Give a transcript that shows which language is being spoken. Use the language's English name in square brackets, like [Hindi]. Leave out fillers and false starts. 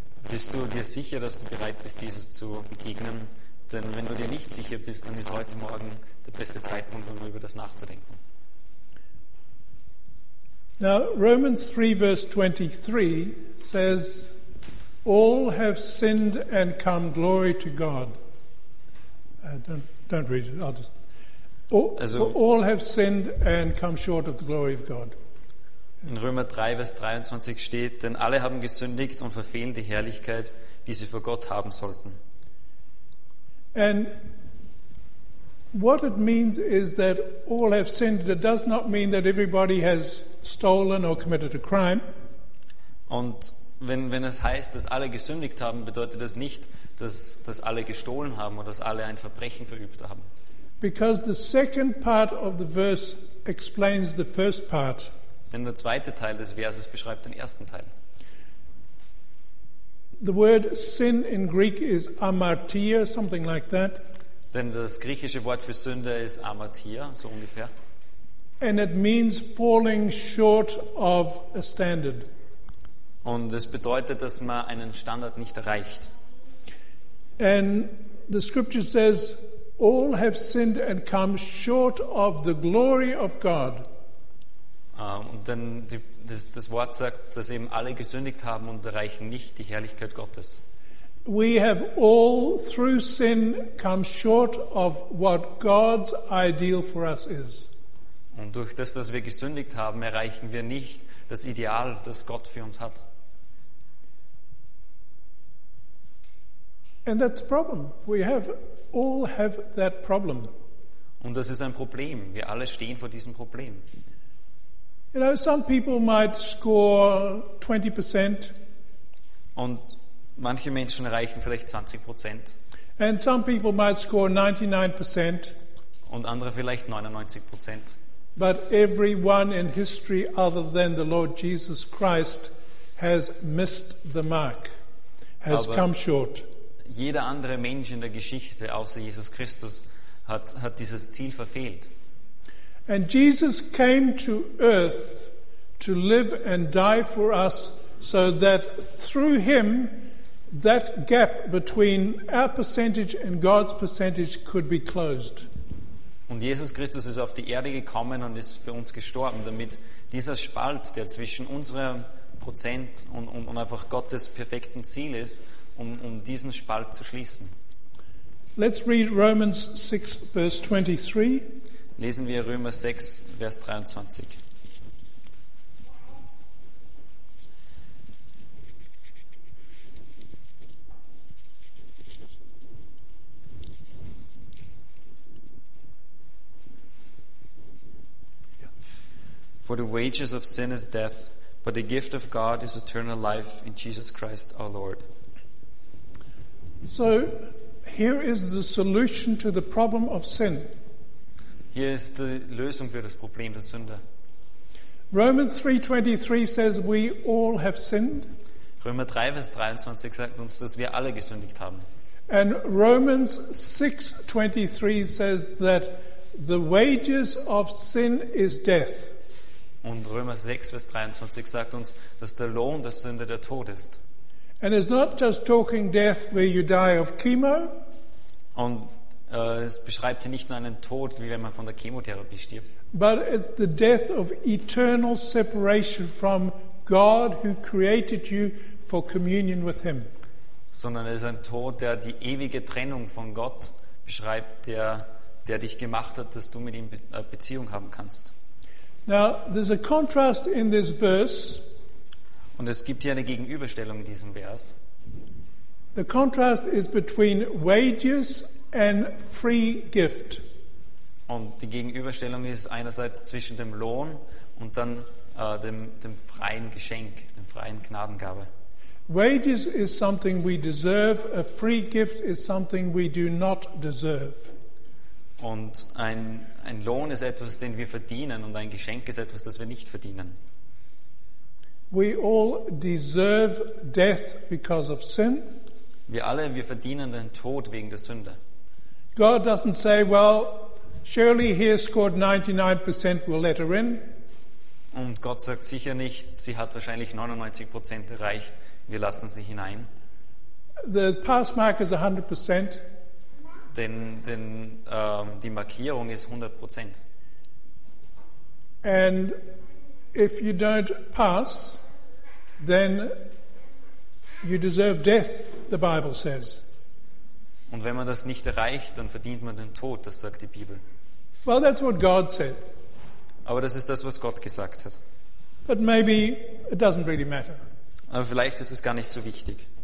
[German] Bist du dir sicher, dass du bereit bist, Jesus zu begegnen? Denn wenn du dir nicht sicher bist, dann ist heute Morgen der beste Zeitpunkt, um über das nachzudenken. [English] Now, Romans 3, verse 23 says, all have sinned and come glory to God. Don't read it, I'll just... All have sinned and come short of the glory of God. [German] In Römer 3, Vers 23 steht, denn alle haben gesündigt und verfehlen die Herrlichkeit, die sie vor Gott haben sollten. [English] And what it means is that all have sinned. It does not mean that everybody has stolen or committed a crime. [German] Und wenn es heißt, dass alle gesündigt haben, bedeutet das nicht, dass alle gestohlen haben oder dass alle ein Verbrechen verübt haben. [English] Because the second part of the verse explains the first part. [German] Denn der zweite Teil des Verses beschreibt den ersten Teil. [English] The word sin in Greek is amartia, something like that. [German] Denn das griechische Wort für Sünde ist amartia, so ungefähr. [English] And it means falling short of a standard. [German] Und es bedeutet, dass man einen Standard nicht erreicht. [English] And the scripture says, all have sinned and come short of the glory of God. [German] Das Wort sagt, dass eben alle gesündigt haben und erreichen nicht die Herrlichkeit Gottes. [English] We have all through sin come short of what God's ideal for us is. [German] Und durch das, dass wir gesündigt haben, erreichen wir nicht das Ideal, das Gott für uns hat. [English] And that's the problem. We all have that problem. [German] Und das ist ein Problem. Wir alle stehen vor diesem Problem. [English] You know, some people might score 20%. [German] Und manche Menschen erreichen vielleicht 20%. [English] And some people might score 99%. [German] Und andere vielleicht 99%. [English] But everyone in history other than the Lord Jesus Christ has missed the mark, has [German] Aber [English] come short. [German] Jeder andere Mensch in der Geschichte außer Jesus Christus hat dieses Ziel verfehlt. [English] And Jesus came to earth to live and die for us so that through him that gap between our percentage and God's percentage could be closed. [German] Und Jesus Christus ist auf die Erde gekommen und ist für uns gestorben, damit dieser Spalt, der zwischen unserem Prozent und einfach Gottes perfekten Ziel ist, um diesen Spalt zu schließen. [English] Let's read Romans 6, verse 23. [German] Lesen wir Römer 6, Vers 23. [English] For the wages of sin is death, but the gift of God is eternal life in Jesus Christ our Lord. So, here is the solution to the problem of sin. [German] Hier ist die Lösung für das Problem der Sünde. [English] Romans 3:23 says we all have sinned. [German] Römer 3 Vers 23 sagt uns, dass wir alle gesündigt haben. [English] And Romans 6:23 says that the wages of sin is death. [German] Und Römer 6 Vers 23 sagt uns, dass der Lohn der Sünde der Tod ist. [English] And it's not just talking death where you die of chemo. [German] Und es beschreibt hier nicht nur einen Tod, wie wenn man von der Chemotherapie stirbt. [English] But it's the death of eternal separation from God who created you for communion with him. [German] Sondern es ist ein Tod, der die ewige Trennung von Gott beschreibt, der dich gemacht hat, dass du mit ihm Beziehung haben kannst. [English] Now, there's a contrast in this verse. [German] Und es gibt hier eine Gegenüberstellung in diesem Vers. [English] The contrast is between wages and free gift. [German] Und die Gegenüberstellung ist einerseits zwischen dem Lohn und dann dem freien Geschenk, dem freien Gnadengabe. [English] Wages is something we deserve. A free gift is something we do not deserve. [German] Und ein Lohn ist etwas, den wir verdienen, und ein Geschenk ist etwas, das wir nicht verdienen. [English] We all deserve death because of sin. [German] Wir verdienen den Tod wegen der Sünde. [English] God doesn't say, well, surely he has scored 99%, we'll let her in. [German] Und Gott sagt sicher nicht, sie hat wahrscheinlich 99% erreicht, wir lassen sie hinein. [English] The pass mark is 100%. [German] Die Markierung ist 100%. [English] And if you don't pass, then you deserve death, the Bible says. [German] Und wenn man das nicht erreicht, dann verdient man den Tod, das sagt die Bibel. [English] Well, that's what God said. [German] Aber das ist das, was Gott gesagt hat. [English] But maybe it doesn't really matter. [German] Aber vielleicht ist es gar nicht so wichtig.